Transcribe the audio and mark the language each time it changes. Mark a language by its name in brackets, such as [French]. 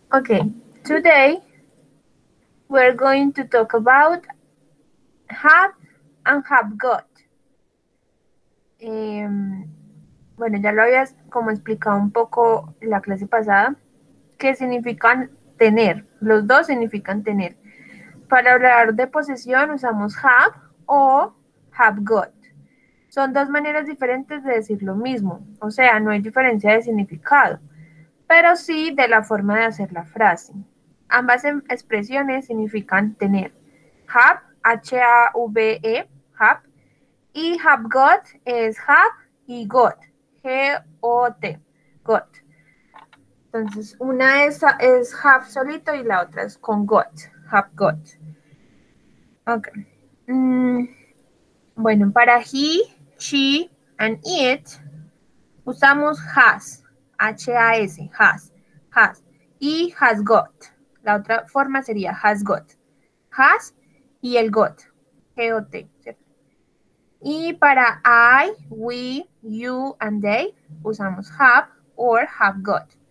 [English] Okay, today we're going to talk about have and have got. [Spanish] Bueno, ya lo habías como explicado un poco la clase pasada, qué significan tener. Los dos significan tener. Para hablar de posesión usamos have o have got. Son dos maneras diferentes de decir lo mismo, o sea, no hay diferencia de significado, pero sí de la forma de hacer la frase. Ambas expresiones significan tener. Have, H-A-V-E, have, y have got es have y got, G-O-T, got. Entonces, una es have solito y la otra es con got, have got. Ok. Bueno, para he, she, and it, usamos has. H-A-S, has, y has got. La otra forma sería has got, has y el got, G-O-T, ¿sí? Y para I, we, you, and they, usamos have or have got.